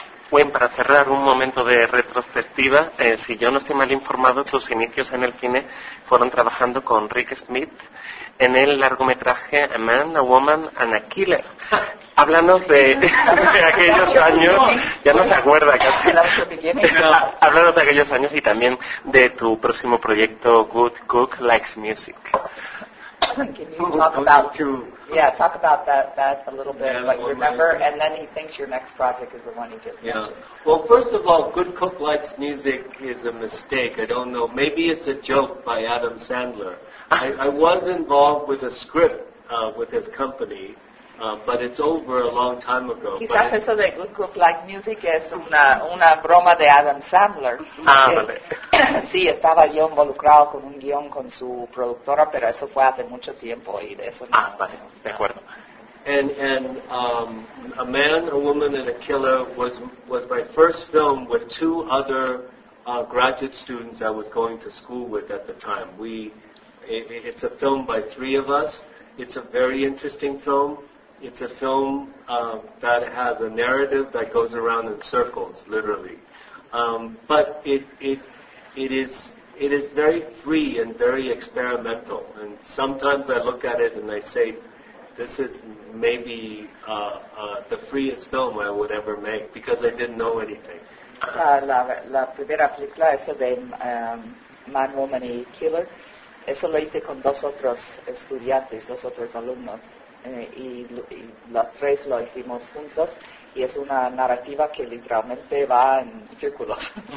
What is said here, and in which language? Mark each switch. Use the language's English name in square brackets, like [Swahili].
[Spanish] Bueno, para cerrar un momento de retrospectiva, si yo no estoy mal informado, tus inicios en el cine fueron trabajando con Rick Smith en el largometraje A Man, A Woman and a Killer. Háblanos de aquellos años, ya no se acuerda casi, háblanos de aquellos años y también de tu próximo proyecto Good Cook Likes Music. [English] Can you talk about that a little bit, what you remember, and then he thinks your next project is the one he just mentioned. Well, first of all, Good Cook Likes Music is a mistake. I don't know. Maybe it's a joke by Adam Sandler. I was involved with a script with his company, but it's over a long time ago. [Spanish] Quizás eso de Good Cook Likes Music es una broma de Adam Sandler. Ah, vale. Sí, estaba yo involucrado con un guión con su productora, pero eso fue hace mucho tiempo y de eso no. Ah, vale, de acuerdo. [English] And A Man, A Woman and a Killer was my first film with two other graduate students I was going to school with at the time. It's a film by three of us. It's a very interesting film. It's a film that has a narrative that goes around in circles, literally. But it is very free and very experimental. And sometimes I look at it and I say, this is maybe the freest film I would ever make because I didn't know anything. [Spanish] La primera película es de Man, Woman y Killer. Eso lo hice con dos otros estudiantes, dos otros alumnos. Y los tres lo hicimos juntos y es una narrativa que literalmente va en círculos.